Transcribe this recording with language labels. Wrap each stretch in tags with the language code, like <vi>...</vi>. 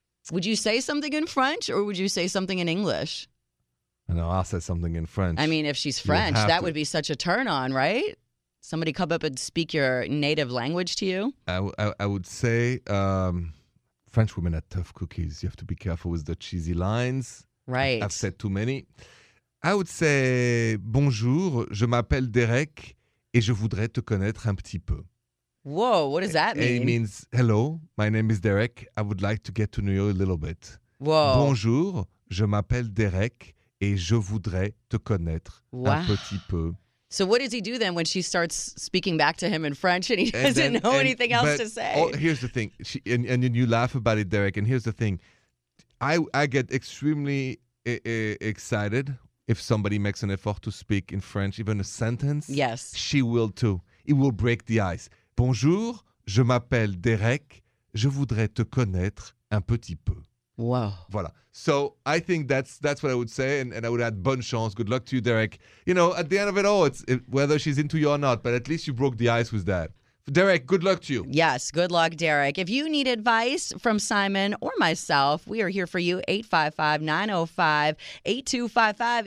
<en>Would you say something in French, or would you say something in English? I know, I'll say something in French. I mean, if she's French, that would be such a turn on, right? Somebody come up and speak your native language to you? I would say, French women are tough cookies. You have to be careful with the cheesy lines. Right. I've said too many.</en> <fr>I would say, bonjour, je m'appelle Derek et je voudrais te connaître un petit peu.</fr> <en>Whoa, what does that mean? It means, hello, my name is Derek. I would like to get to know you a little bit. Whoa.</en> <fr>Bonjour, je m'appelle Derek et je voudrais te connaître un petit peu.</fr> <en>So what does he do then when she starts speaking back to him in French and he doesn't know anything else to say? Oh, here's the thing. And you laugh about it, Derek. And here's the thing. I get extremely excited if somebody makes an effort to speak in French, even a sentence. Yes. She will too. It will break the ice.</en> <fr>Bonjour, je m'appelle Derek. Je voudrais te connaître un petit peu.</fr> <en>Wow.</en> <fr>Voilà.</fr> <en>So I think that's what I would say, and I would add</en> <fr>bonne chance.</fr> <en>Good luck to you, Derek. You know, at the end of it all, it's whether she's into you or not, but at least you broke the ice with that. Derek, good luck to you. Yes, good luck, Derek. If you need advice from Simon or myself, we are here for you, 855-905-8255.</en>